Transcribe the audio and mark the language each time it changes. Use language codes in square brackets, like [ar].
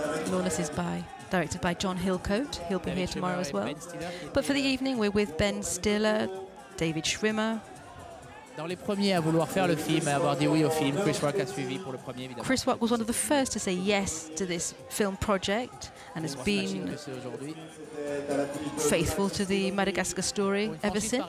[en] Lawless is directed by John Hillcoate. He'll be here tomorrow as well. But for the evening, we're with Ben Stiller, David Schwimmer. [fr] Dans les premiers à vouloir faire le film, à avoir dit oui au film, Chris Rock a suivi pour le premier, évidemment. [en] Chris Rock was one of the first to say yes to this film project and has been faithful to the Madagascar story ever since.